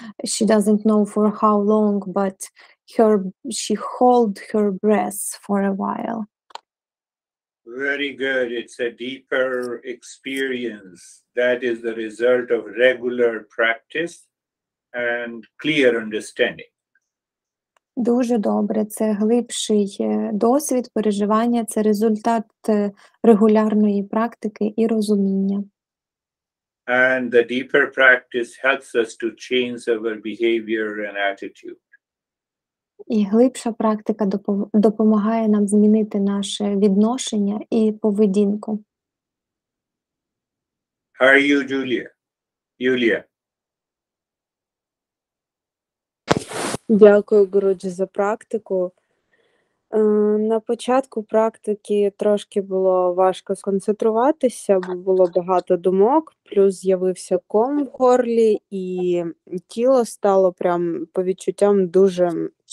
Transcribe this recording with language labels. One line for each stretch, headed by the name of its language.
English: She doesn't know for how long, but she held her breath for a while. Very good. It's a deeper experience. That is the result of regular practice and clear understanding.
Ukrainian: Дуже добре. Це глибший досвід переживання, це результат регулярної практики і розуміння.
English: And the deeper practice helps us to change our behavior and attitude.
Ukrainian: І глибша практика допомагає нам змінити наше відношення і поведінку.
English: How are you, Julia? Юлія.
Ukrainian: Дякую, Гуруджі, за практику. На початку практики трошки було важко сконцентруватися, бо було багато думок, плюс з'явився ком в горлі, і тіло стало прям по відчуттям дуже...